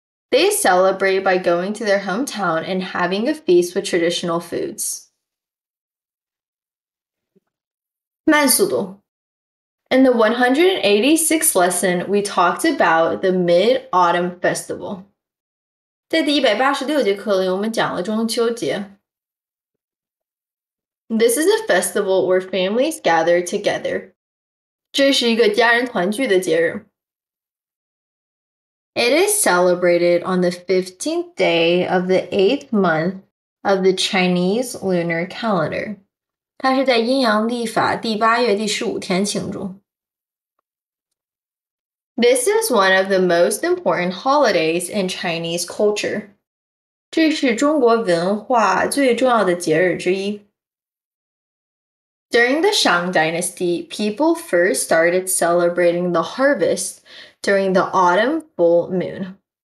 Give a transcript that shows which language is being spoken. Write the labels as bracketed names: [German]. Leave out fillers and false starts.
[English] They celebrate by going to their hometown and having a feast with traditional foods. [Chinese] 慢速度. [English] In the 186th lesson, we talked about the Mid-Autumn Festival. [Chinese] 在第186节课里，我们讲了中秋节。 [English] This is a festival where families gather together. [Chinese] 这是一个家人团聚的节日. [English] It is celebrated on the 15th day of the 8th month of the Chinese lunar calendar. [Chinese] 它是在阴阳历法第8月第15天庆祝. [English] This is one of the most important holidays in Chinese culture. [Chinese] 这是中国文化最重要的节日之一. [English] During the Shang Dynasty, people first started celebrating the harvest during the autumn full moon.